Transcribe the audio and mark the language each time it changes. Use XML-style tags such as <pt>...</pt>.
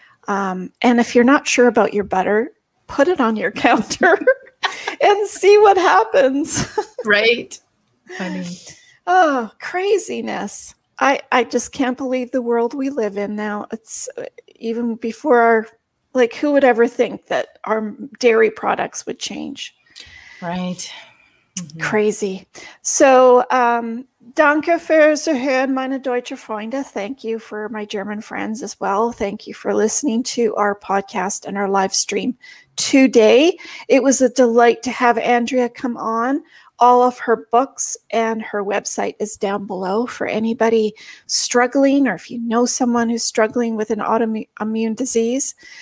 <en>And if you're not sure about your butter, put it on your counter and see what happens. Right. Funny. Oh, craziness. I just can't believe the world we live in now. Even before who would ever think that our dairy products would change? Right. Crazy.</en> <de>So, danke für zuhören, meine deutsche Freunde.</de> <en>Thank you for my German friends as well. Thank you for listening to our podcast and our live stream today. It was a delight to have Andrea come on. All of her books and her website is down below for anybody struggling, or if you know someone who's struggling with an autoimmune disease.</en>